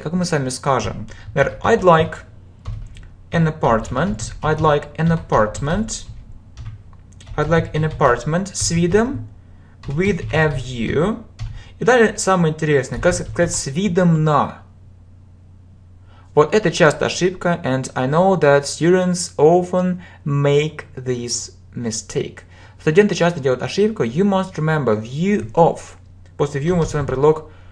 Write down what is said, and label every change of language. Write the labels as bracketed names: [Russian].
[Russian] Как мы с вами скажем? Например, [English] I'd like an apartment. I'd like an apartment. I'd like an apartment [Russian] с видом. [English] With a view. [Russian] И далее самое интересное. Как сказать с видом на? Вот это частая ошибка. [English] And I know that students often make this mistake. [Russian] Студенты часто делают ошибку. [English] You must remember view of. [Russian] После view мы ставим предлог.